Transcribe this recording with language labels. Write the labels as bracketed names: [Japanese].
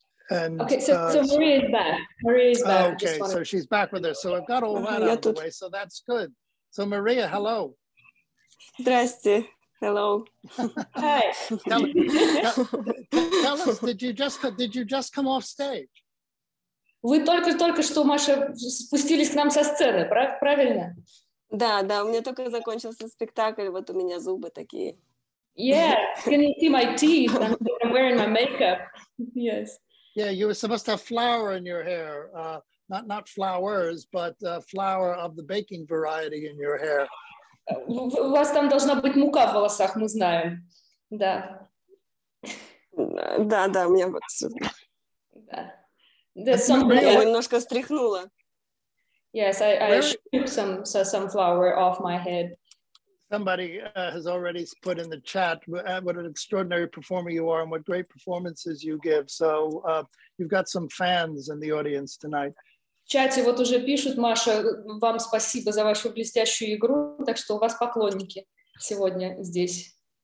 [English] So Maria is back. So she's back with us. So I've got all that out of the way. So that's good. So Maria, hello. [Russian] Здрасте. [English] Hello. Hi. tell us, did you just come off stage? [Russian] Вы только что, Маша, спустились к нам со сцены, правильно? Да, да. У меня только закончился спектакль. Вот у меня зубы такие. [English] Yeah. Can you see my teeth? I'm wearing my makeup. Yes. Yeah, you were supposed to have flour in your hair, not flowers, but flour of the baking variety in your hair. [Russian] У вас там должна быть мука в волосах, мы знаем. Да. Да, да, у меня вот. Да. Я немножко стряхнула. [English] Yes, I shook some flour off my head. Somebody has already put in the chat what an extraordinary performer you are and what great performances you give. So you've got some fans in the audience tonight. [Russian] В чате вот уже пишут, Маша, вам спасибо за вашу блестящую игру, так что у вас поклонники сегодня здесь.